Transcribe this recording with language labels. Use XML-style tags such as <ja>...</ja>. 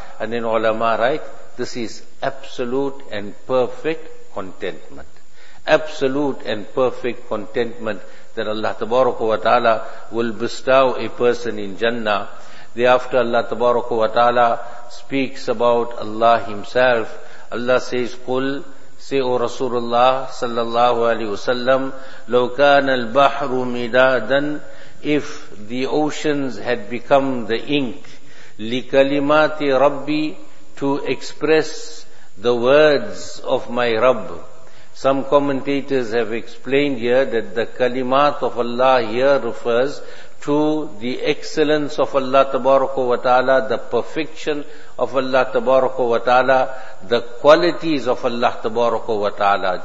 <en>And then ulama write, this is absolute and perfect contentment. Absolute and perfect contentment that Allah Tabaraka wa Ta'ala will bestow a person in Jannah. Thereafter Allah Tabaraka wa Ta'ala speaks about Allah Himself. Allah says,</en> <ar>قُلْ سَيْءُ رَسُولُ اللَّهِ صَلَّى اللَّهُ عَلَيْهُ وَسَلَّمْ لَوْ كَانَ الْبَحْرُ مِدَادًا.</ar> <en>If the oceans had become the ink,</en> <ar>لِكَلِمَاتِ رَبِّي,</ar> <en>to express the words of my Rabb. Some commentators have explained here that the kalimat of Allah here refers to the excellence of Allah tabaraka wa ta'ala, the perfection of Allah tabaraka wa ta'ala, the qualities of Allah tabaraka wa ta'ala.</en>